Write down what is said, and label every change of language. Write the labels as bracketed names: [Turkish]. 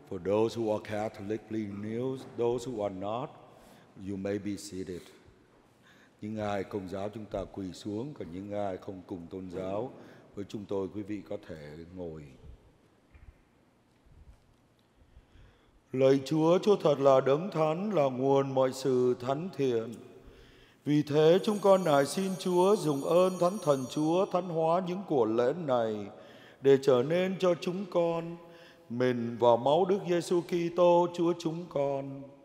[English] those who are Catholic, please kneel. Those who are not, you may be seated. [Vietnamese] Những ai Công giáo chúng ta quỳ xuống, còn những ai không cùng tôn giáo với chúng tôi, quý vị có thể ngồi. Lạy Chúa, Chúa thật là đấng thánh, là nguồn mọi sự thánh thiện. Vì thế chúng con nài xin Chúa dùng ơn Thánh Thần Chúa thánh hóa những của lễ này để trở nên cho chúng con mình vào máu Đức Giêsu Kitô Chúa chúng con.